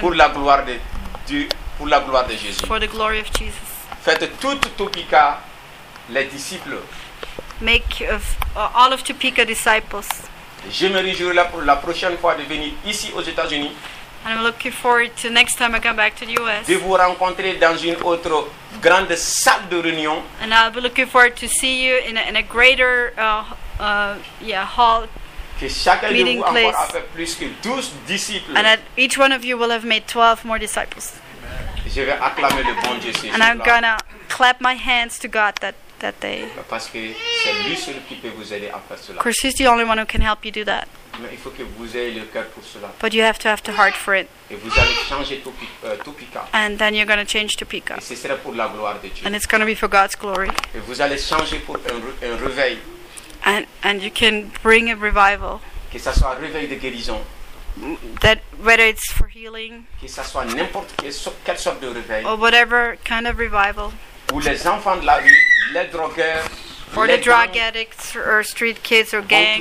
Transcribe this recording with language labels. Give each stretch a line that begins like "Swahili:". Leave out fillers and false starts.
French: Pour la gloire de Dieu, pour la gloire de Jésus.
English: For the glory of Jesus.
French: Faites tout Topeka les disciples.
English: Make of all of Topeka disciples.
French: Je me réjouis là pour la prochaine fois de venir ici aux États-Unis.
English: And I'm looking forward to next time I come back to the US.
French: De vous rencontrer dans une autre grande salle de réunion.
English: And I'll be looking forward to see you in a greater hall.
French: Que chacun
English: meeting
French: de vous
English: place.
French: Encore a fait plus que 12 disciples.
English: And that each one of you will have made 12 more disciples.
French: Je vais acclamer le bon Dieu ce jour-là.
English: And I'm gonna clap my hands to God that day.
French: Parce que c'est lui seul qui peut vous aider à faire cela.
English: Of course, he's the only one who can help you do that.
French: Mais il faut que vous ayez le cœur pour cela.
English: But you have to have the heart for it.
French: Et vous allez changer Topeka.
English: And then you're gonna change Topeka.
French: Et ce sera pour la gloire de Dieu.
English: And it's gonna be for God's glory.
French: Et vous allez changer pour un réveil.
English: And you can bring a revival.
French: Que ça soit un réveil de guérison.
English: That whether it's for healing,
French: que ça soit n'importe quelle sorte de réveil,
English: or whatever kind of revival,
French: où les enfants de la rue, les drogueurs,
English: or the drug addicts, or street kids, or gangs,